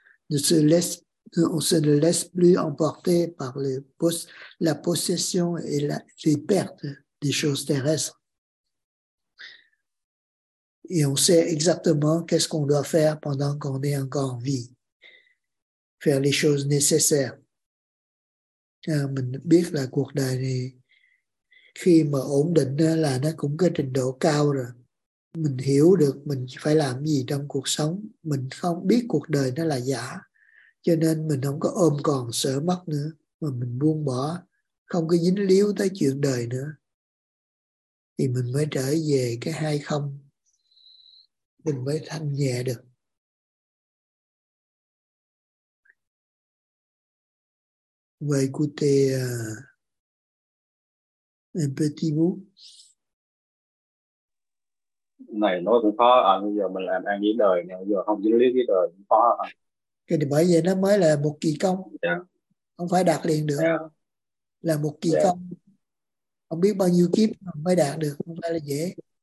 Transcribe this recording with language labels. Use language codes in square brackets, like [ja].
[fr] On se ne laisse plus emporter par la possession et les pertes des choses terrestres. Et on sait exactement qu'est-ce qu'on doit faire pendant qu'on est encore en vie. Faire les choses nécessaires. [vi] Mình biết là cuộc đời này, khi mà ổn định là nó cũng có trình độ cao rồi. Mình hiểu được mình phải làm gì trong cuộc sống. Mình không biết cuộc đời nó là giả. Cho nên mình không có ôm còn sợ mất nữa. Mà mình buông bỏ, không có dính líu tới chuyện đời nữa. Thì mình mới trở về cái hai không. Mình mới thanh nhẹ được. [fr] On va écouter un petit bout. [vi] Này nói cũng khó, bây giờ mình làm ăn với đời, bây giờ không dính líu với đời cũng khó. Cái bởi vậy nó mới là một kỳ công, không phải đạt liền được, là một kỳ công. Không biết bao nhiêu kiếp mới đạt được, không phải là dễ.